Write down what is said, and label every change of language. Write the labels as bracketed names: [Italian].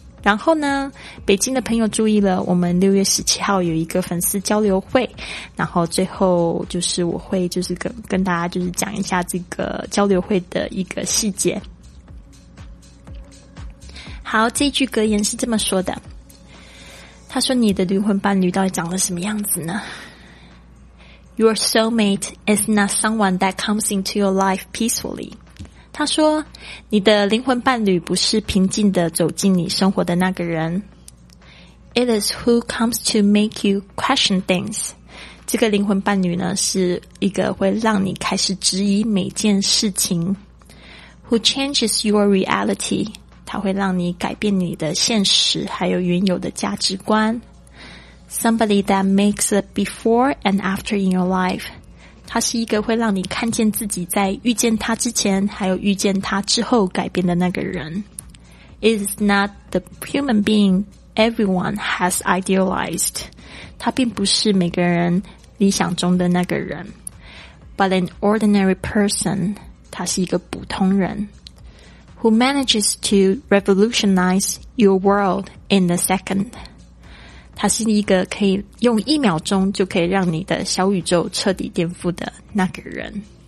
[Chinese] 然后呢，北京的朋友注意了，我们6月17号有一个粉丝交流会，然后最后就是我会就是跟大家就是讲一下这个交流会的一个细节。好，这句格言是这么说的，他说你的灵魂伴侣到底长得什么样子呢？ [English] Your soulmate is not someone that comes into your life peacefully. [Chinese] 他说你的灵魂伴侣不是平静的走进你生活的那个人。 [English] It is who comes to make you question things. [Chinese] 这个灵魂伴侣呢，是一个会让你开始质疑每件事情。 [English] Who changes your reality. [Chinese] 它会让你改变你的现实还有原有的价值观。 [English] Somebody that makes a before and after in your life. [Chinese] 它是一个会让你看见自己在遇见他之前还有遇见他之后改变的那个人。 [English] It is not the human being everyone has idealized. [Chinese] 它并不是每个人理想中的那个人。 [English] But an ordinary person. [Chinese] 它是一个普通人。 [English] Who manages to revolutionize your world in a second. [Chinese] 它是一个可以用一秒钟就可以让你的小宇宙彻底颠覆的那个人。